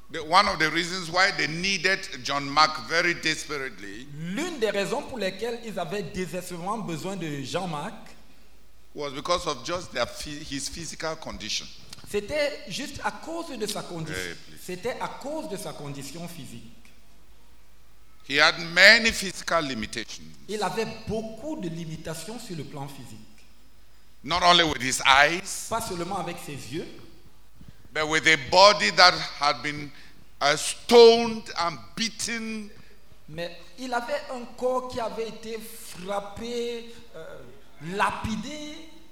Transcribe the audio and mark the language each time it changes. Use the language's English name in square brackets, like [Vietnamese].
[English] One of the reasons why they needed John Mark very desperately. [French] L'une des raisons pour lesquelles ils avaient désespérément besoin de Jean Marc. [English] Was because of just their his physical condition. [French] C'était juste à cause de sa condition. C'était à cause de sa condition physique. [English] He had many physical limitations. [French] Il avait beaucoup de limitations sur le plan physique. [English] Not only with his eyes. [French] Pas seulement avec ses yeux. [English] But with a body that had been stoned and beaten. [French] Mais il avait un corps qui avait été frappé, lapidé.